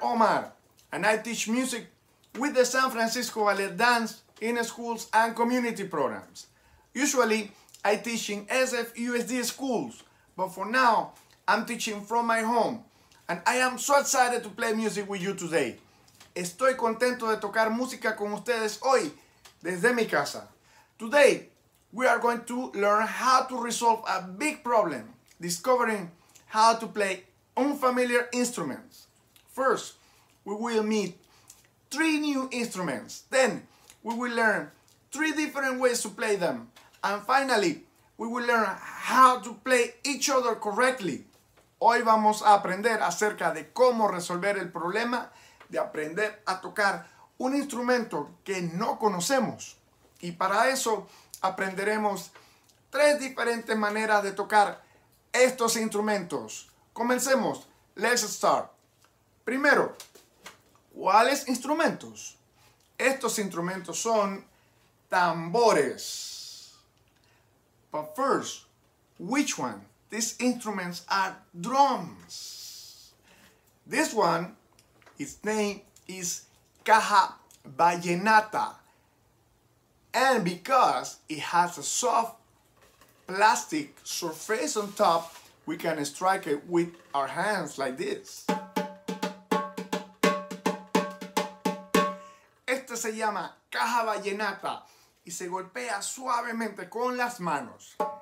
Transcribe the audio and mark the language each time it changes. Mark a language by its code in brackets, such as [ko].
[en] Omar, and I teach music with the San Francisco Ballet Dance in schools and community programs. Usually, I teach in SFUSD schools, but for now, I'm teaching from my home, and I am so excited to play music with you today. [es] Estoy contento de tocar música con ustedes hoy, desde mi casa. [en] Today, we are going to learn how to resolve a big problem, discovering how to play unfamiliar instruments. First, we will meet three new instruments. Then, we will learn three different ways to play them. And finally, we will learn how to play each other correctly. [es] Hoy vamos a aprender acerca de cómo resolver el problema de aprender a tocar un instrumento que no conocemos. Y para eso, aprenderemos tres diferentes maneras de tocar estos instrumentos. Comencemos. [en] Let's start. [es] Primero, ¿cuáles instrumentos? Estos instrumentos son tambores. [en] But first, which one? These instruments are drums. This one, its name is caja vallenata. And because it has a soft plastic surface on top, we can strike it with our hands like this. [es] Este se llama caja vallenata y se golpea suavemente con las manos.